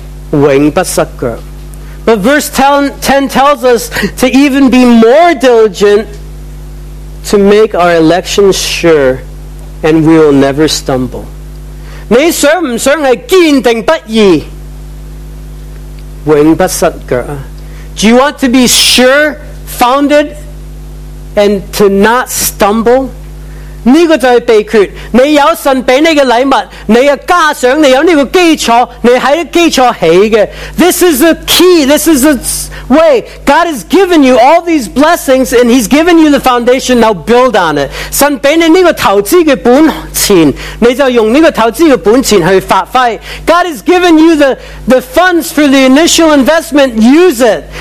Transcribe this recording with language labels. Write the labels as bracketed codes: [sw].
[en] But verse 10 tells us to even be more diligent to make our election sure, and we will never stumble. [zh] 你想不想是坚定不移，永不失脚？ [en] Do you want to be sure, founded, and to not stumble? [zh] 这就是秘诀，你有神给你的礼物，你的家常，你有这个基础，你在基础起的。 [en] This is the key, this is the way. God has given you all these blessings and he's given you the foundation, now build on it. [zh] 神给你这个投资的本钱，你就用这个投资的本钱去发挥。 [en] God has given you the funds for the initial investment, use it.